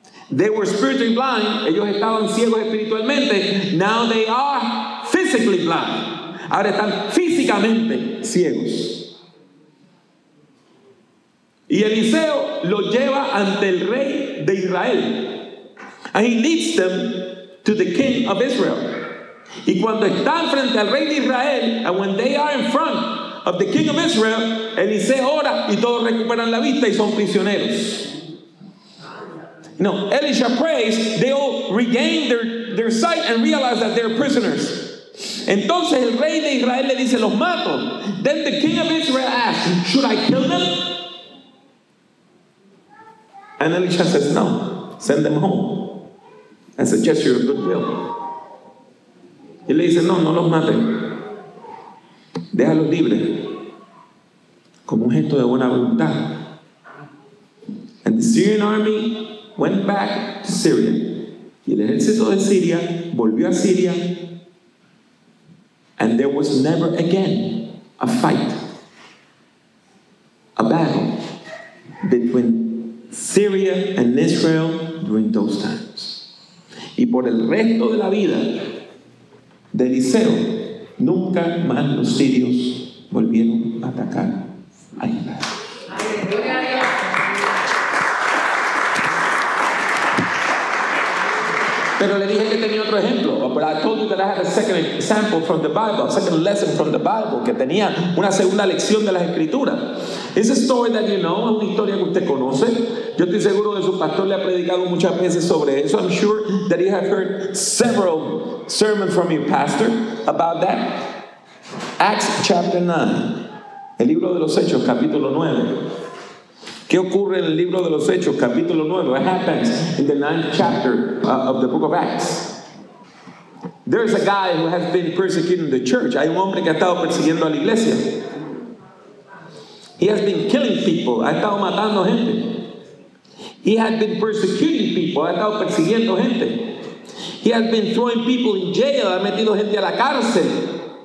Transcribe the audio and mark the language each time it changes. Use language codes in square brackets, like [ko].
[en] They were spiritually blind. [es] Ellos estaban ciegos espiritualmente. [en] Now they are physically blind. [es] Ahora están físicamente ciegos. Y Eliseo lo lleva ante el rey de Israel. [en] And he leads them to the king of Israel. [es] Y cuando están frente al rey de Israel, [en] and when they are in front of the king of Israel, [es] Eliseo ora y todos recuperan la vista y son prisioneros. [en] No, Elisha prays, they all regain their sight and realize that they're prisoners. [es] Entonces el rey de Israel le dice, los mato. [en] Then the king of Israel asks, should I kill them? And Elisha says, no, send them home. As a gesture of goodwill. [es] Y le dice, no, no los maten. Déjalos libres. Como un gesto de buena voluntad. [en] And the Syrian army went back to Syria. [es] Y el ejército de Siria volvió a Siria. [en] And there was never again a fight, a battle between Syria and Israel during those times. [es] Y por el resto de la vida de Eliseo, nunca más los sirios volvieron a atacar a Israel. Pero le dije que tenía otro ejemplo. [en] But I told you that I had a second example from the Bible, a second lesson from the Bible, [es] que tenía una segunda lección de las Escrituras. [en] It's a story that you know, [es] es una historia que usted conoce. Yo estoy seguro de su pastor le ha predicado muchas veces sobre eso. [en] I'm sure that you have heard several sermons from your pastor about that. Acts chapter 9, [es] el libro de los Hechos, capítulo 9. ¿Qué ocurre en el libro de los Hechos, capítulo 9? [en] What happens in the ninth chapter of the book of Acts? There is a guy who has been persecuting the church. [es] Hay un hombre que ha estado persiguiendo a la iglesia. [en] He has been killing people. [es] Ha estado matando gente. [en] He has been persecuting people. [es] Ha estado persiguiendo gente. [en] He has been throwing people in jail. [es] Ha metido gente a la cárcel.